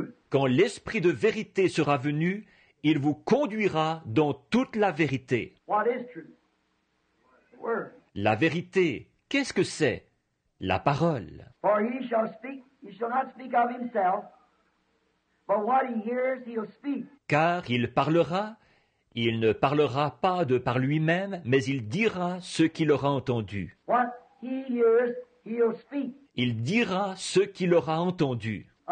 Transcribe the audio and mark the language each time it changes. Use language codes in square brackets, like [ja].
[fr] Quand l'Esprit de vérité sera venu, il vous conduira dans toute la vérité. [en] What is truth? Word. [fr] La vérité, qu'est-ce que c'est? La parole. [en] For he shall not speak of himself, but what he hears, he'll speak. [fr] Car il parlera. Il ne parlera pas de par lui-même, mais il dira ce qu'il aura entendu. [en] What he hears, he'll speak. [fr] Il dira ce qu'il aura entendu.